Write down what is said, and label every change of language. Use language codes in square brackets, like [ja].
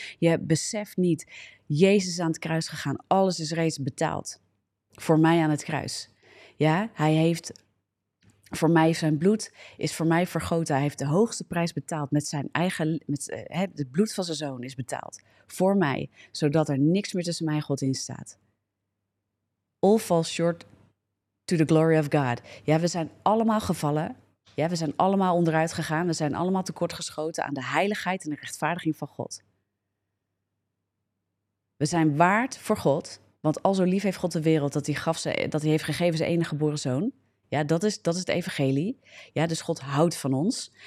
[nl] Je beseft niet, Jezus is aan het kruis gegaan. Alles is reeds betaald voor mij aan het kruis. Ja, hij heeft voor mij zijn bloed is voor mij vergoten. Hij heeft de hoogste prijs betaald met zijn eigen. Het bloed van zijn zoon is betaald voor mij, zodat er niks meer tussen mij en God in staat. [en] All falls short to the glory of God. [nl] Ja, we zijn allemaal gevallen. Ja, we zijn allemaal onderuit gegaan. We zijn allemaal tekortgeschoten aan de heiligheid en de rechtvaardiging van God. We zijn waard voor God, want al zo lief heeft God de wereld dat hij heeft gegeven zijn enige geboren zoon. Ja, dat is het evangelie. Ja, dus God houdt van ons.